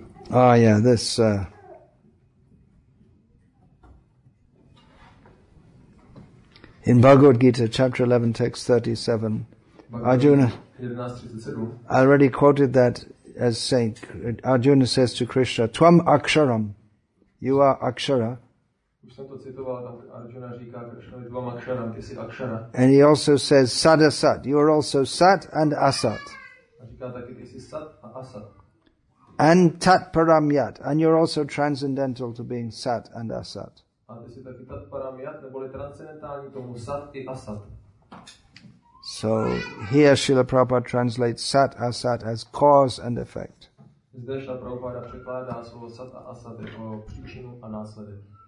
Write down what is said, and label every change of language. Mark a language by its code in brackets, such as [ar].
[en] Ah, yeah, this. In Bhagavad Gita, chapter 11, text 37, Arjuna. I already quoted that as saying, Arjuna says to Krishna, Tvam Aksharam. You are Akshara. [cs] Už jsem to citoval, tam Arjuna říká Krishnovi dvěma aksharam, ty jsi Akshara. [en] And he also says Sadasat. You are also Sat and Asat. [cs] A říká taky, ty jsi Sat a Asat. [en] And Tat Param Yat. And you're also transcendental to being Sat and Asat. [cs] A ty jsi taky Tat Param Yat, neboli transcendentální tomu Sat i Asat. [en] So here Srila Prabhupada translates Sat Asat as cause and effect. [cs] Zde Srila Prabhupada překládá slovo sat a asat jako příčinu a následek.